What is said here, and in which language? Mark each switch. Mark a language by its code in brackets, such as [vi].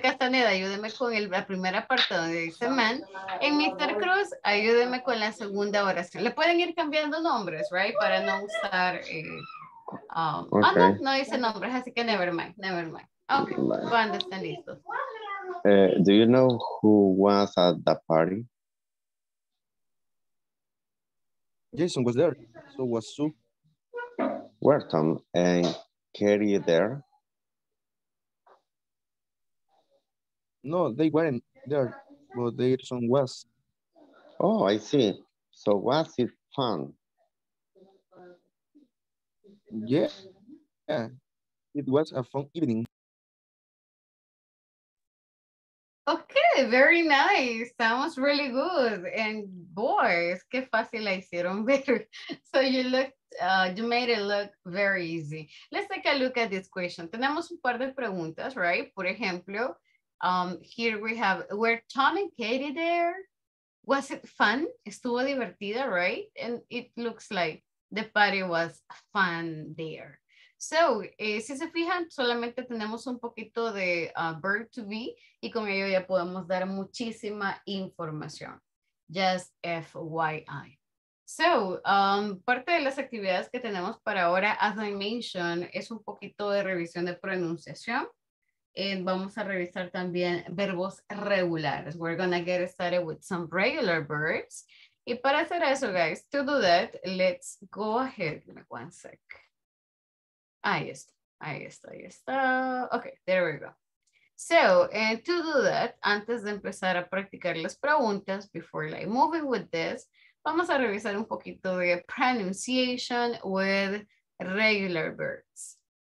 [es] Castaneda, ayúdeme con la primera parte donde dice man. And Mr. Cruz, ayúdeme con la segunda oración. Le pueden ir cambiando nombres, right? Para no usar... okay. Oh, no dice nombres, así que [en] never mind, never mind. [es] Okay, cuando están listos. [en] Do you know who was at the party? Jason was there. So was Sue. Were Tom and Kerry there? No, they weren't there, but their son was. Oh, I see. So was it fun? Yeah. Yeah. It was a fun evening. Okay, very nice. Sounds really good. And boy, [es] es que fácil la hicieron ver. [en] So you looked, you made it look very easy. Let's take a look at this question. [es] Tenemos un par de preguntas, [en] right? [es] Por ejemplo, [en] here we have, were Tom and Katie there? Was it fun? [es] Estuvo divertida, [en] right? And it looks like the party was fun there. [es] So, si se fijan, solamente tenemos un poquito de verb to be y con ello ya podemos dar muchísima información. [en] Just FYI. [es] So, parte de las actividades que tenemos para ahora, [en] as I mentioned, [es] es un poquito de revisión de pronunciación. And vamos a revisar también verbos regulares. [en] We're going to get started with some regular verbs. [es] Y para hacer eso, [en] guys, to do that, let's go ahead. Give me one sec. [es] Ahí está. [en] Okay, there we go. So, and to do that, [es] antes de empezar a practicar las preguntas, [en] before like moving with this, [es] vamos a revisar un poquito de [en] pronunciation with regular verbs.